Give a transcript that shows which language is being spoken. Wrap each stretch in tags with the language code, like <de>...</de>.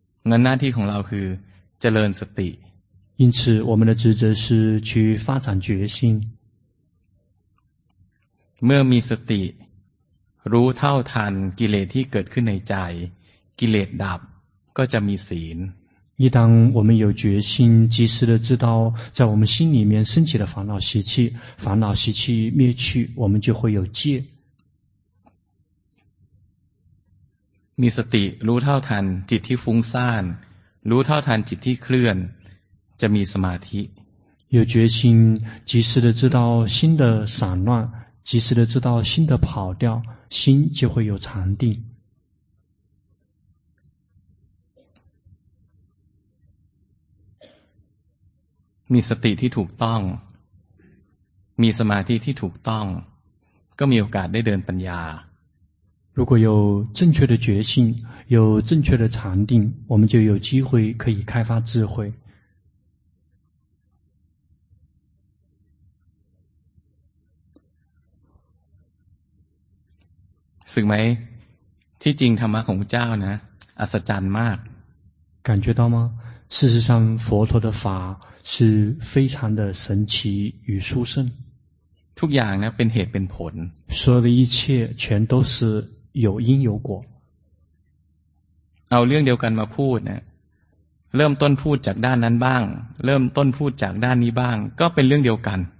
<th>งั้นหน้าที่ของเราคือเจริญสติ</th> <zh>因此我们的职责是去发展决心</zh> <th>เมื่อมีสติรู้เท่าทันกิเลสที่เกิดขึ้นในใจกิเลสดับก็จะมีศีล</th> <zh>一旦我们有决心及时的知道在我们心里面升起的烦恼习气烦恼习气灭去我们就会有戒</zh> <th>มีสติรู้เท่าทันจิตที่ฟุ้งซ่านรู้เท่าทันจิตที่เคลื่อน จะมีสมาธิ</th> <zh>有决心及时的知道心的散乱及时的知道心的跑掉心就会有禅定</zh> <th>มีสติที่ถูกต้องมีสมาธิที่ถูกต้องก็มีโอกาสได้เดินปัญญา</th> <zh>如果有正确的决心有正确的禅定我们就有机会可以开发智慧</zh> <th>สึกไหมที่จริงธรรมะของพระเจ้านะอัศจรรย์มาก</th> <zh>感觉到吗事实上佛陀的法是非常的神奇与殊胜</zh> <th>ทุกอย่างนะเป็นเหตุเป็นผล</th> <zh>所有的一切全都是有因有果</zh> <th>เอาเรื่องเดียวกันมาพูดนะเริ่มต้นพูดจากด้านนั้นบ้างเริ่มต้นพูดจากด้านนี้บ้างก็เป็นเรื่องเดียวกัน</th>